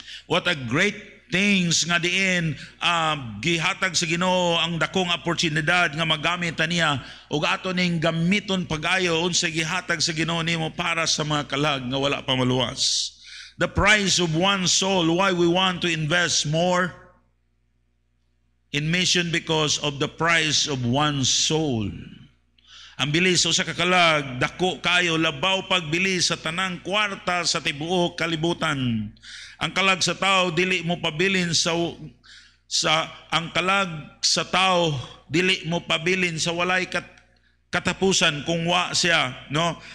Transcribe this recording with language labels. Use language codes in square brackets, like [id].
[en] What a great things [ceb] nga diin gihatag sa Ginoo ang dakong oportunidad nga magamit niya ug ato ning gamiton pag-ayo unsa gihatag sa Ginoo nimo para sa mga kalag nga wala pa maluwas. [en] The price of one soul, why we want to invest more in mission because of the price of one soul. [ceb] Ang bilis usa ka kalag, dako kayo, labaw pagbilis sa tanang kwarta sa tibuok kalibutan. Ang kalag sa tao dili mo pabilin sa walay katapusan kung wa siya, no?